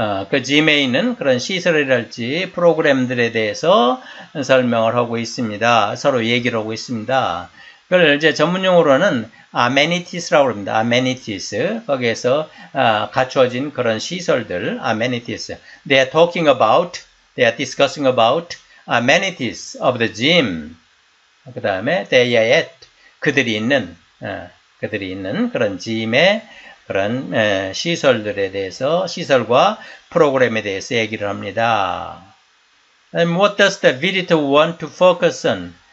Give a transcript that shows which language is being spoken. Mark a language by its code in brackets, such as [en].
[ko] 그 짐에 있는 그런 시설이랄지 프로그램들에 대해서 설명을 하고 있습니다. 서로 얘기를 하고 있습니다. 그걸 이제 전문용어로는 아메니티스라고 합니다. 아메니티스. 거기에서 갖춰진 그런 시설들. 아메니티스. [en] They are talking about, they are discussing about amenities of the gym. [ko] 그 다음에 [en] they are at, [ko] 그들이 있는 그런 짐에 그런 시설들에 대해서 시설과 프로그램에 대해서 얘기를 합니다. [en] And what does the visitor want to focus on?